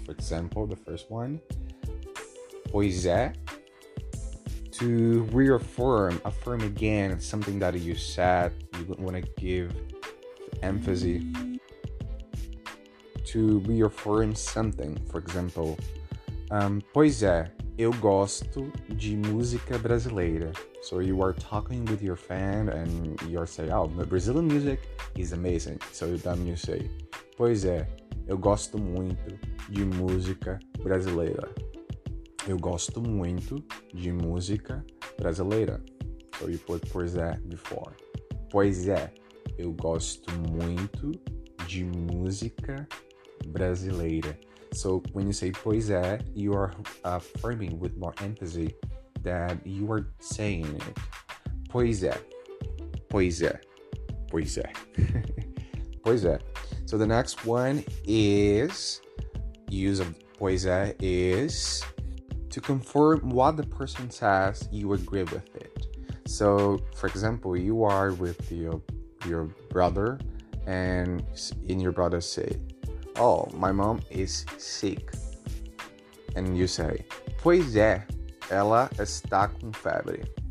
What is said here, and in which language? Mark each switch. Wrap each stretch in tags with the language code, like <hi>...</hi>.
<en>For example, the first one, pois é, to reaffirm again something that you said, you want to give emphasis to reaffirm something. For example, pois é.</en> <pt>Eu gosto de música brasileira.</pt> <en>So you are talking with your fan and you're saying, oh, the Brazilian music is amazing. So then you say,</en> <pt>pois é, eu gosto muito de música brasileira. Eu gosto muito de música brasileira.</pt> <en>So you put pois é before.</en> <pt>Pois é, eu gosto muito de música brasileira.</pt> <en>So, when you say, pois é, you are affirming with more emphasis that you are saying it.</en> <pt>Pois é. Pois é. Pois é. Pois é.</pt> <en>So, the next one is, use of pois é is to confirm what the person says, you agree with it. So, for example, you are with your brother and your brother say, oh, my mom is sick. And you say,</en> <pt>pois é, ela está com febre.</pt>